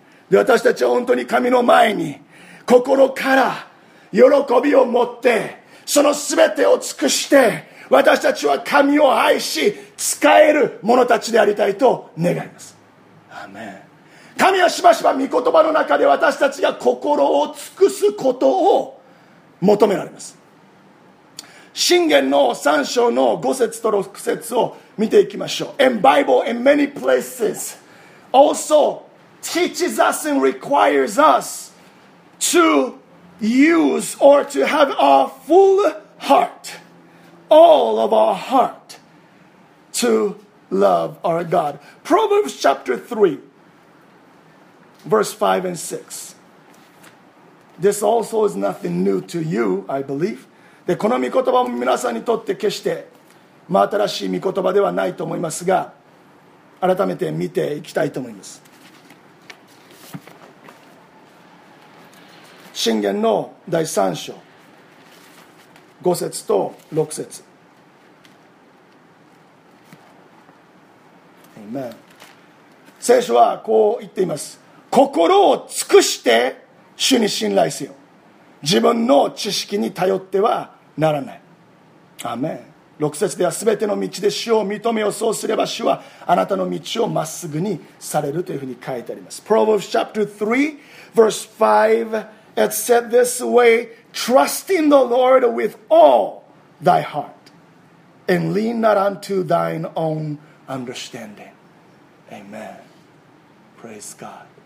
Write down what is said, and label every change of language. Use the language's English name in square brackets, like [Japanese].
[Japanese] で、私たちは本当に神の前に心から喜びを持ってそのすべてを尽くして私たちは神を愛し使える者たちでありたいと願います。アーメン。神はしばしば御言葉の中で私たちが心を尽くすことを求められます。箴言の3章の5節と6節を見ていきましょう。 [English] And Bible in many places also teaches us and requires us to use or to have our full heart, all of our heart to love our God. Proverbs chapter 3 verse 5 and 6. This also is nothing new to you, I believe. [Japanese] で、この御言葉も皆さんにとって決して真新しい御言葉ではないと思いますが、改めて見ていきたいと思います。箴言の第3章5節と6節。 [English] Amen. [Japanese] 聖書はこう言っています。心を尽くして主に信頼せよ。自分の知識に頼ってはならない。アーメン。 6節では、すべての道で主を認めよ、そうすれば主はあなたの道をまっすぐにされるというふうに書いてあります。 [English] Proverbs chapter 3 verse 5It said this way, trust in the Lord with all thy heart and lean not unto thine own understanding. Amen. Praise God.